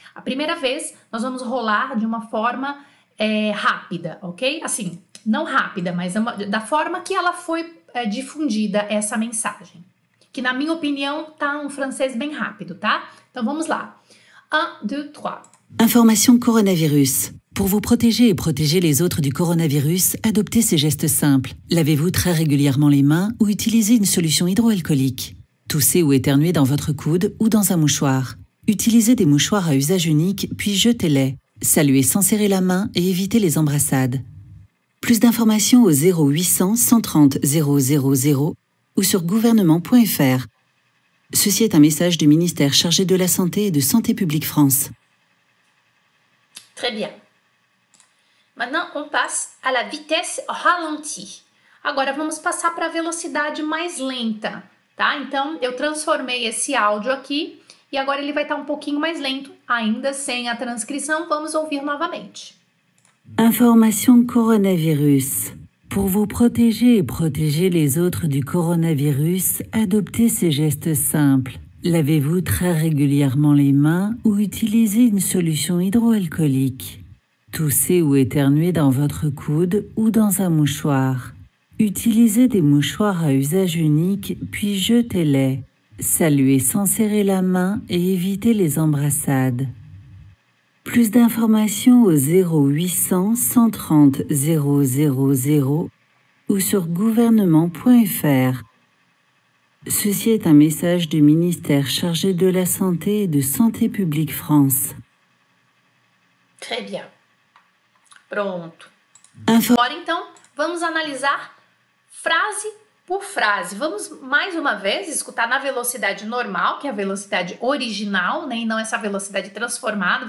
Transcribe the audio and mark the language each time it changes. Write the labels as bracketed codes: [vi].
[pt] A primeira vez nós vamos rolar de uma forma rápida, ok? Assim. Não rápida, mas da forma que ela foi difundida essa mensagem. Que, na minha opinião, tá um francês bem rápido, tá? Então vamos lá. [fr] Un, deux, trois. Information coronavirus. Pour vous protéger et protéger les autres du coronavirus, adoptez ces gestes simples. Lavez-vous très régulièrement les mains ou utilisez une solution hydroalcoolique. Toussez ou éternuez dans votre coude ou dans un mouchoir. Utilisez des mouchoirs à usage unique, puis jetez-les. Saluez sans serrer la main et évitez les embrassades. Plus d'informations au 0800 130 000 ou sur gouvernement.fr. Ceci est un message du ministère chargé de la Santé et de Santé publique France. Très bien. Maintenant, on passe à la vitesse ralentie. [pt] Agora vamos passar para a velocidade mais lenta, tá? Então, eu transformei esse áudio aqui e agora ele vai estar um pouquinho mais lento, ainda sem a transcrição. Vamos ouvir novamente. [fr] Information coronavirus. Pour vous protéger et protéger les autres du coronavirus, adoptez ces gestes simples. Lavez-vous très régulièrement les mains ou utilisez une solution hydroalcoolique. Toussez ou éternuez dans votre coude ou dans un mouchoir. Utilisez des mouchoirs à usage unique, puis jetez-les. Saluez sans serrer la main et évitez les embrassades. Plus d'informations au 0800 130 000 ou sur gouvernement.fr. Ceci est un message du ministère chargé de la Santé et de Santé publique France. Très bien. Pronto. [pt] Agora então, vamos analisar frase por frase. Vamos mais uma vez escutar na velocidade normal, que é a velocidade original, né, e não essa velocidade transformada.